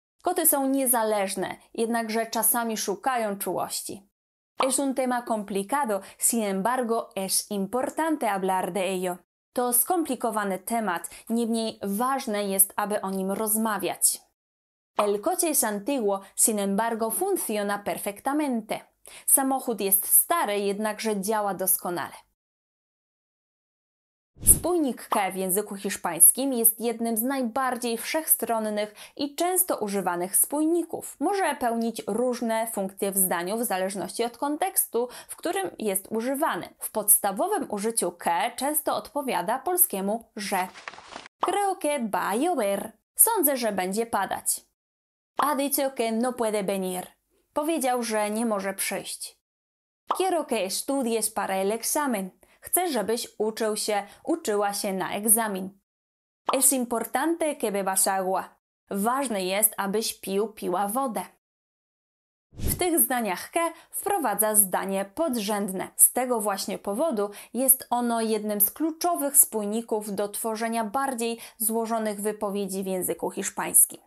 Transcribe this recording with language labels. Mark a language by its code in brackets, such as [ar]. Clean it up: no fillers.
[pl] Koty są niezależne, jednakże czasami szukają czułości. [es] Es un tema complicado, sin embargo, es importante hablar de ello. [pl] To skomplikowany temat, niemniej ważne jest, aby o nim rozmawiać. [es] El coche es antiguo, sin embargo, funciona perfectamente. [pl] Samochód jest stary, jednakże działa doskonale. Spójnik K w języku hiszpańskim jest jednym z najbardziej wszechstronnych i często używanych spójników. Może pełnić różne funkcje w zdaniu w zależności od kontekstu, w którym jest używany. W podstawowym użyciu K często odpowiada polskiemu że. [es] Creo que va a llover. [pl] Sądzę, że będzie padać. [es] Ha dicho que no puede venir. [pl] Powiedział, że nie może przyjść. [es] Quiero que estudies para el examen. [pl] Chcę, żebyś uczyła się na egzamin. [es] Es importante que bebas agua. [pl] Ważne jest, abyś piła wodę. W tych zdaniach que wprowadza zdanie podrzędne. Z tego właśnie powodu jest ono jednym z kluczowych spójników do tworzenia bardziej złożonych wypowiedzi w języku hiszpańskim.